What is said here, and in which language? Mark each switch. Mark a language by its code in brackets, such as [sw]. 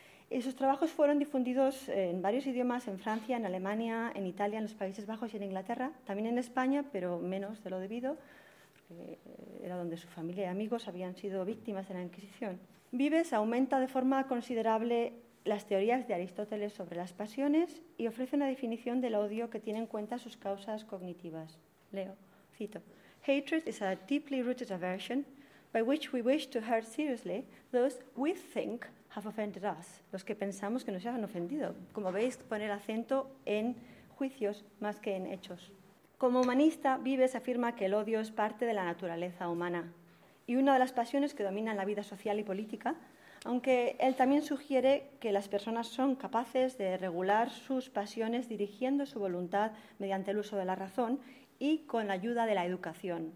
[es] Y sus trabajos fueron difundidos en varios idiomas, en Francia, en Alemania, en Italia, en los Países Bajos y en Inglaterra, también en España, pero menos de lo debido. Era donde su familia y amigos habían sido víctimas de la Inquisición. Vives aumenta de forma considerable las teorías de Aristóteles sobre las pasiones y ofrece una definición del odio que tiene en cuenta sus causas cognitivas. [en] Leo, cito: Hatred is a deeply rooted aversion by which we wish to hurt seriously those we think have offended us. [es] Los que pensamos que nos han ofendido. Como veis, pone el acento en juicios más que en hechos. Como humanista, Vives afirma que el odio es parte de la naturaleza humana y una de las pasiones que dominan la vida social y política, aunque él también sugiere que las personas son capaces de regular sus pasiones dirigiendo su voluntad mediante el uso de la razón y con la ayuda de la educación.